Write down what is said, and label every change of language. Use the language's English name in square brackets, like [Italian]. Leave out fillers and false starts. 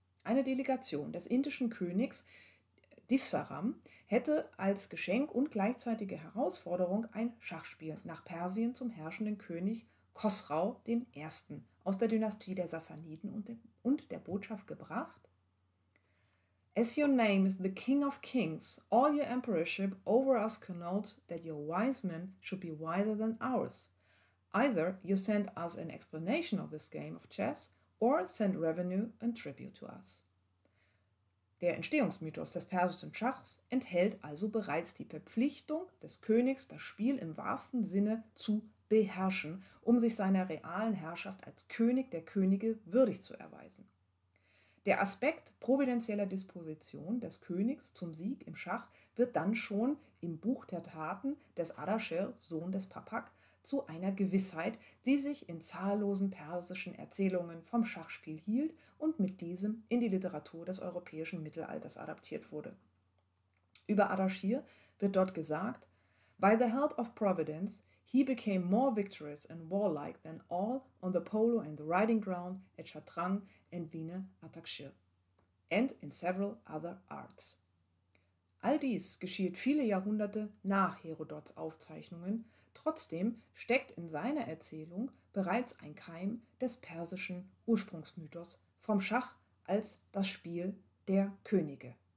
[German] Eine Delegation des indischen Königs Divsaram hätte als Geschenk und gleichzeitige Herausforderung ein Schachspiel nach Persien zum herrschenden König Khosrau I. aus der Dynastie der Sassaniden und der Botschaft gebracht. [English] As your name is the King of Kings, all your emperorship over us connotes that your wise men should be wiser than ours. Either you send us an explanation of this game of chess or send revenue and tribute to us. [German] Der Entstehungsmythos des persischen Schachs enthält also bereits die Verpflichtung des Königs, das Spiel im wahrsten Sinne zu beherrschen, um sich seiner realen Herrschaft als König der Könige würdig zu erweisen. Der Aspekt providenzieller Disposition des Königs zum Sieg im Schach wird dann schon im Buch der Taten des Ardaschir, Sohn des Papak, zu einer Gewissheit, die sich in zahllosen persischen Erzählungen vom Schachspiel hielt und mit diesem in die Literatur des europäischen Mittelalters adaptiert wurde. Über Ardaschir wird dort gesagt: [English] By the help of Providence, he became more victorious and warlike than all on the polo and the riding ground at Chatrang and Wiener Ardaschir and in several other arts. [German] All dies geschieht viele Jahrhunderte nach Herodots Aufzeichnungen. Trotzdem steckt in seiner Erzählung bereits ein Keim des persischen Ursprungsmythos vom Schach als das Spiel der Könige.